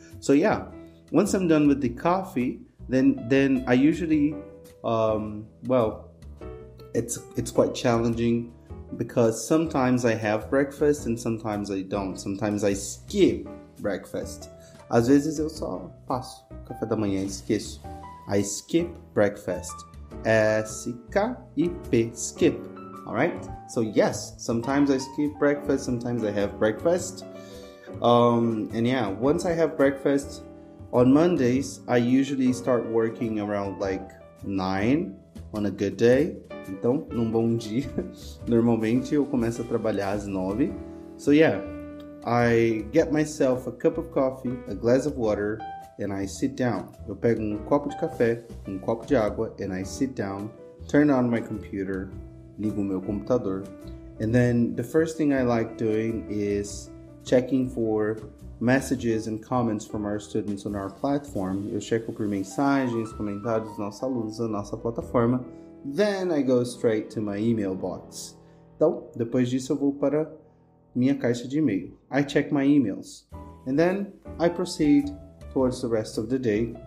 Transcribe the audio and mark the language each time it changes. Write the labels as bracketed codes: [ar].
[en] So yeah, once I'm done with the coffee, then I usually, it's quite challenging. Because sometimes I have breakfast and sometimes I don't. Sometimes I skip breakfast. [pt] Às vezes eu só passo café da manhã e esqueço. [en] I skip breakfast. S-K-I-P. Skip. Alright? So yes, sometimes I skip breakfast. Sometimes I have breakfast. Once I have breakfast, on Mondays, I usually start working around like 9 on a good day. [pt] Então, num bom dia, normalmente eu começo a trabalhar às 9. [en] So yeah, I get myself a cup of coffee, a glass of water, and I sit down. [pt] Eu pego um copo de café, um copo de água, [en] and I sit down, turn on my computer, [pt] ligo o meu computador. [en] And then the first thing I like doing is checking for messages and comments from our students on our platform. [pt] Eu checo por mensagens, comentários dos nossos alunos na nossa plataforma. [en] Then I go straight to my email box. [pt] Então, depois disso eu vou para minha caixa de e-mail. [en] I check my emails. And then I proceed towards the rest of the day.